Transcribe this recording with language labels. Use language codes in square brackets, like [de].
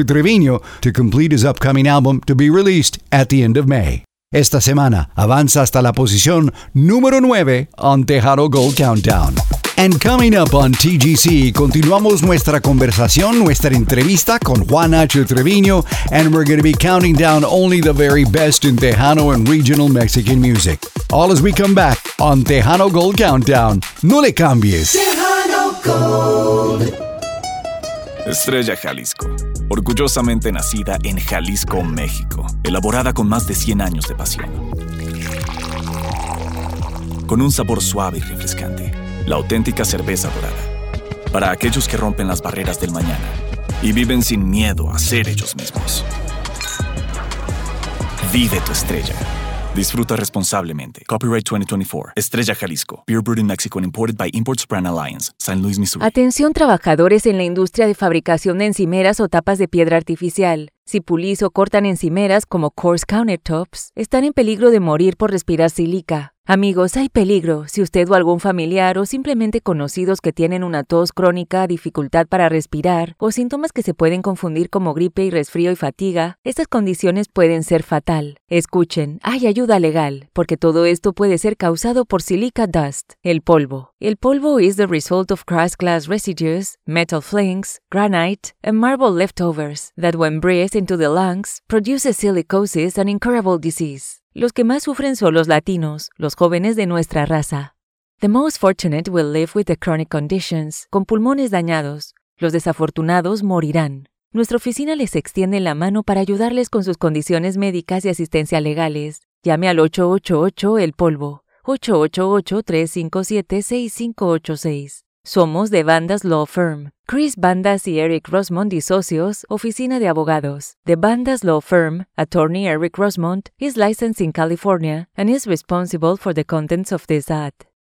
[en] Treviño to complete his upcoming album to be released at the end of May. [es] Esta semana avanza hasta la posición número 9 on Tejano Gold Countdown. And coming up on TGC, continuamos nuestra conversación, nuestra entrevista con Juan H. [en] Treviño, and we're going to be counting down only the very best in Tejano and regional Mexican music. All as we come back on Tejano Gold Countdown. [es] No le cambies. [en] Tejano Gold. [es] Estrella Jalisco. Orgullosamente nacida en Jalisco, México. Elaborada con más de 100 años de pasión. Con un sabor suave y refrescante. La auténtica cerveza dorada. Para aquellos que rompen las barreras del mañana y viven sin miedo a ser ellos mismos. Vive tu estrella. Disfruta responsablemente. Copyright 2024. Estrella Jalisco. [en] Beer brewed in Mexico and imported by Imports Brand Alliance. [es] San Luis, Missouri. Atención, trabajadores en la industria de fabricación de encimeras o tapas de piedra artificial. Si pulís o cortan encimeras como coarse countertops, están en peligro de morir por respirar sílica. Amigos, hay peligro. Si usted o algún familiar o simplemente conocidos que tienen una tos crónica, dificultad para respirar o síntomas que se pueden confundir como gripe y resfrío y fatiga, estas condiciones pueden ser fatal. Escuchen, hay ayuda legal, porque todo esto puede ser causado por silica dust, el polvo. [en] El polvo is the result of crushed glass residues, metal flakes, granite, and marble leftovers that when breathed into the lungs, produces silicosis and incurable disease. [es] Los que más sufren son los latinos, los jóvenes de nuestra raza. [en] The most fortunate will live with the chronic conditions, con pulmones dañados. [es] Los desafortunados morirán. Nuestra oficina les extiende la mano para ayudarles con sus condiciones médicas y asistencia legales. Llame al 888-EL-POLVO, 888-357-6586. Somos de Bandas Law Firm. Chris Bandas y Eric Rosmond y socios, oficina de abogados. [en] The Bandas Law Firm, attorney Eric Rosmond, is licensed in California and is responsible for the contents of this ad.